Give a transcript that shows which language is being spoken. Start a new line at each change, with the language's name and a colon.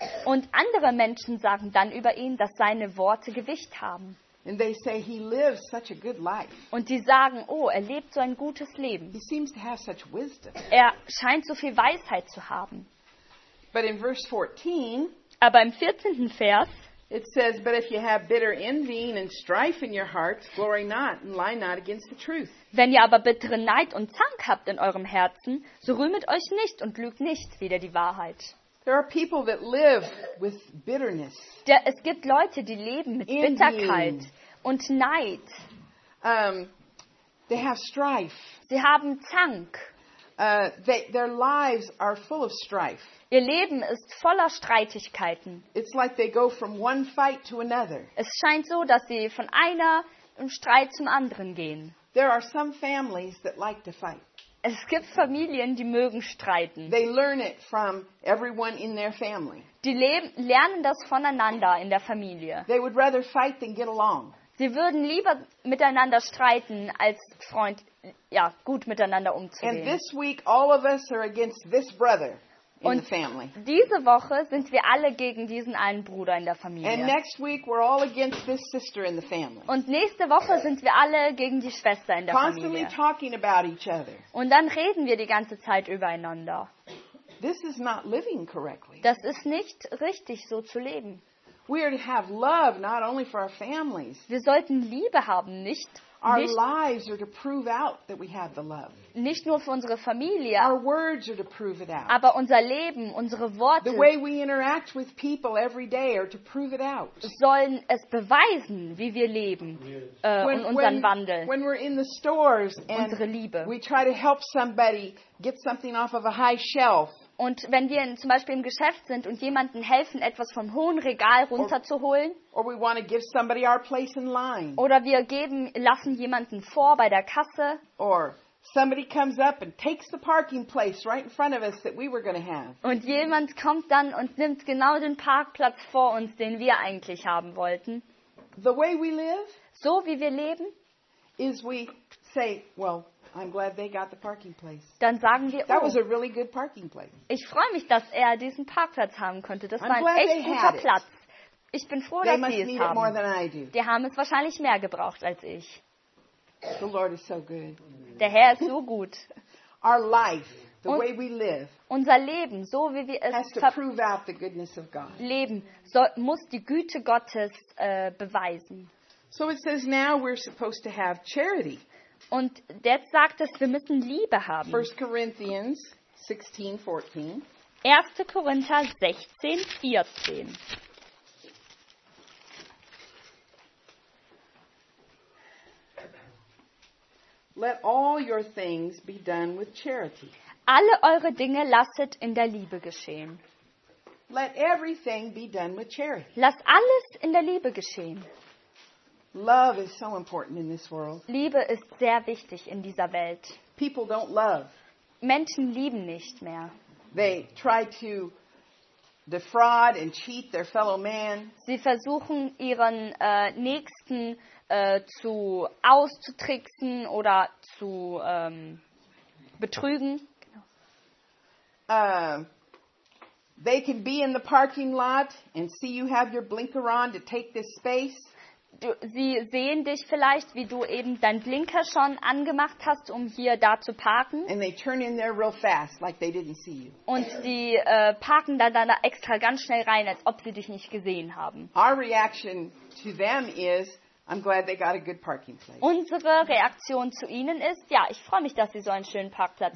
German: Und andere Menschen sagen dann über ihn, dass seine Worte Gewicht haben.
English: And they say he lives such a good life.
German: Und die sagen, oh, er lebt so ein gutes Leben.
English: He seems to have such wisdom.
German: Er scheint so viel Weisheit zu haben.
English: But in verse 14,
German: aber im 14. Vers,
English: it says, but if you have bitter envy and strife in your hearts, glory not and lie not against the truth.
German: Wenn ihr aber bitteren Neid und Zank habt in eurem Herzen, so rühmet euch nicht und lügt nicht wider die Wahrheit.
English: There are people that live with bitterness.
German: Es gibt Leute, die leben mit Bitterkeit und Neid.
English: They have strife.
German: Sie haben Zank.
English: Their lives are full of strife.
German: Ihr Leben ist voller Streitigkeiten.
English: It's like they go from one fight to another.
German: Es scheint so, dass sie von einer im Streit zum anderen gehen.
English: There are some families that like to fight.
German: Es gibt Familien, die mögen streiten.
English: They learn it from everyone in their family.
German: Die lernen das voneinander in der Familie.
English: They would rather fight than get along.
German: Sie würden lieber miteinander streiten als Freund, ja, gut miteinander umzugehen.
English: And this week all of us are against this brother.
German: Und diese Woche sind wir alle gegen diesen einen Bruder in der Familie.
English: And next week we're all against this sister in the family.
German: Und nächste Woche sind wir alle gegen die Schwester in der
English: Constantly
German: Familie.
English: Talking about each other.
German: Und dann reden wir die ganze Zeit übereinander.
English: This is not living correctly.
German: Das ist nicht richtig, so zu leben.
English: We are to have love not only for our families.
German: Wir sollten Liebe haben, nicht
English: our lives are to prove out that we have the love.
German: Nicht nur für unsere Familie.
English: Our words are to prove it out.
German: Aber unser Leben, unsere Worte.
English: The way we interact with people every day are to prove it out.
German: Sollen es beweisen, wie wir leben, und unseren Wandel.
English: When we're in the stores and
German: unsere Liebe.
English: We try to help somebody get something off of a high shelf.
German: Und wenn wir zum Beispiel im Geschäft sind und jemandem helfen, etwas vom hohen Regal runterzuholen, oder wir lassen jemanden vor bei der Kasse, und jemand kommt dann und nimmt genau den Parkplatz vor uns, den wir eigentlich haben wollten,
English: the way we live,
German: so wie wir leben, ist, wir sagen,
English: well, I'm glad they got the parking place.
German: Dann sagen wir,
English: that was a really good parking place.
German: Ich freue mich, dass er diesen Parkplatz haben konnte. Das war ein echt guter Platz. Ich bin froh,
English: they
German: dass sie es haben.
English: It more than I do.
German: Die haben es wahrscheinlich mehr gebraucht als ich.
English: The Lord is so good.
German: Der Herr ist so gut.
English: Our life, the way we live,
German: unser Leben, so wie wir es leben, muss die Güte Gottes beweisen.
English: So it says now we're supposed to have charity.
German: Und jetzt sagt es, wir müssen Liebe haben. 1. Korinther 16, 14. 1. Korinther 16, 14.
English: Let all your things be done with charity.
German: Alle eure Dinge lasset in der Liebe geschehen.
English: Let everything be done with charity.
German: Lass alles in der Liebe geschehen.
English: Love is so important in this world.
German: Liebe ist sehr wichtig in dieser Welt.
English: People don't love.
German: Menschen lieben nicht mehr.
English: They try to defraud and cheat their fellow man.
German: Sie versuchen ihren Nächsten auszutricksen oder zu betrügen.
English: They can be in the parking lot and see you have your blinker on to take this space.
German: Sie sehen dich vielleicht, wie du eben dein Blinker schon angemacht hast, um hier da zu parken. Und sie parken da extra ganz schnell rein, als ob sie dich nicht gesehen haben. Unsere Reaktion zu ihnen ist, ja, ich freue mich, dass sie so einen schönen Parkplatz